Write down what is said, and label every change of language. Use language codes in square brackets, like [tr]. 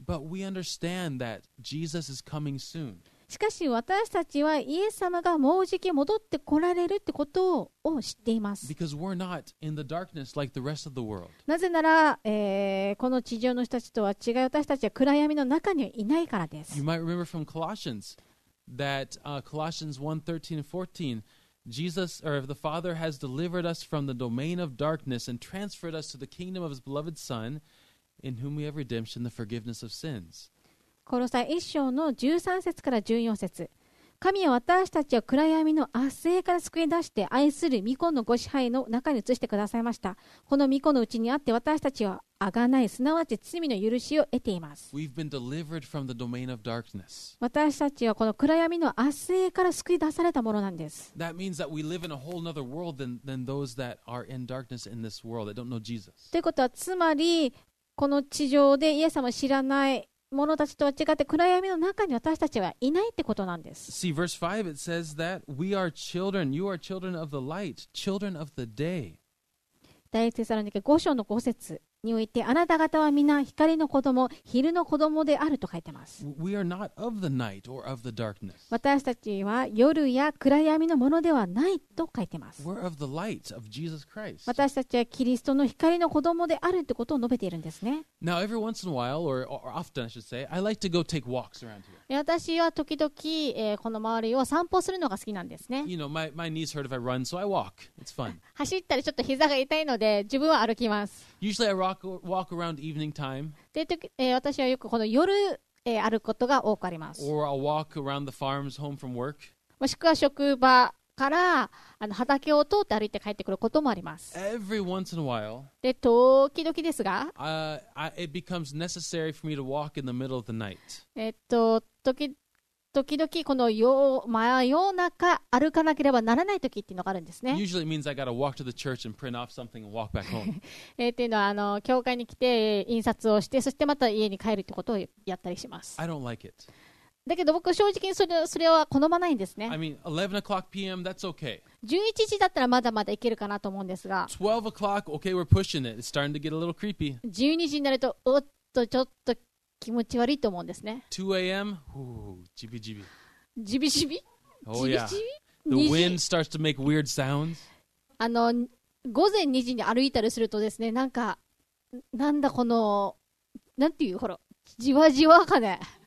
[en] But we understand that Jesus is coming soon. [ja] しかし私たちはイエス様がもうじき戻ってこられるってことを知っています。 [en] Because we're not in the darkness like the rest of the world. [ja] なぜなら、この地上の人たちとは違い、私たちは暗闇の中にはいないからです。 [en] You might remember from Colossians that Colossians 1:13 and 14, Jesus or the Father has delivered us from the domain of darkness and transferred us to the kingdom of his beloved Son. In whom we have redemption, the forgiveness of sins. [ja] コロサイ1章の13節から14節、神は私たちを暗闇の圧政から救い出して、愛する御子のご支配の中に移してくださいました。この御子のうちにあって私たちは贖い、すなわち罪の許しを得ています。 [en] We've been delivered from the domain of darkness. [ja] 私たちはこの暗闇の圧政から救い出されたものなんです。 [en] That means that we live in a whole other world than those that are in darkness in this world that don't know Jesus. [ja] ということは、つまりこの地上でイエス様を知らない者たちとは違って、暗闇の中に私たちはいないってことなんです。 [en] See, verse 5, it says that we are children, you are children of the light, children of the day. [ja] 第一テサロニケ5章の5節において、あなた方は皆光の子供、昼の子供であると書いてます。 [en] We are not of the night or of the darkness. [ja] 私たちは夜や暗闇のものではないと書いてます。 [en] We're of the light of Jesus Christ. [ja] 私たちはキリストの光の子供であるってことを述べているんですね。 [en] Now, every once in a while, or often, I should say, I like to go take walks around here. [ja] 私は時々、この周りを散歩するのが好きなんですね。 [en] You know, my knees hurt if I run, so I walk. It's fun. [ja] 走ったりちょっと膝が痛いので、自分は歩きます。 [en] Usually I walk walk around evening time. [ja] で、私はよくこの夜、あることが多くあります。 [en] Or I'll walk around the farms home from work. [ja] もしくは職場から畑を通って歩いて帰ってくることもあります。 [en] Every once in a while. [ja] で、時々ですが、 [en] it becomes necessary for me to walk in the middle of the night. [ja] 時々この真夜中歩かなければならない時っていうのがあるんですね。 [en] Usually means I gotta walk to the church and print off something and walk back home. [ja] っていうのは教会に来て印刷をして、そしてまた家に帰るってことをやったりします。 [en] I don't like it. [ja] だけど僕正直にそれは好まないんですね。 [en] I mean, 11 o'clock p.m. that's okay. [ja] 11時だったらまだまだいけるかなと思うんですが。 [en] 12 o'clock, okay, we're pushing it. It's starting to get a little creepy. [ja] 12時になると、おっとちょっと気持ち悪いと思うんですね。 [en] 2 a.m. [ja] ジビジビ。ジビジビ。 [en] Oh yeah. The wind starts to make weird sounds. [ja] 午前2時に歩いたりするとですね、なんかなんだこのなんていうほらじわじわかね。